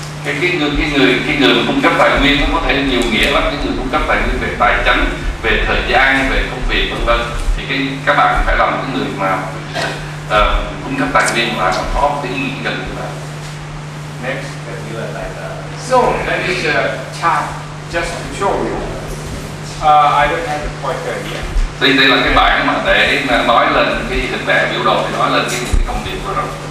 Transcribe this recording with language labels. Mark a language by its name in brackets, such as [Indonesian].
[Vietnamese] Cái người cung cấp tài nguyên nó có thể nhiều nghĩa lắm. Cái người cung cấp tài nguyên về tài chính, về thời gian, về công việc vân vân. Thì các bạn phải làm cái người mà cung cấp tài nguyên và có cái gì cần. [English] Next, let me like that. So that is a chart just to show you. I don't have the pointer here. [Vietnamese] Thì đây là cái bảng mà để mà nói lên cái hình vẽ biểu đồ, để nói lên cái những cái công việc của nó.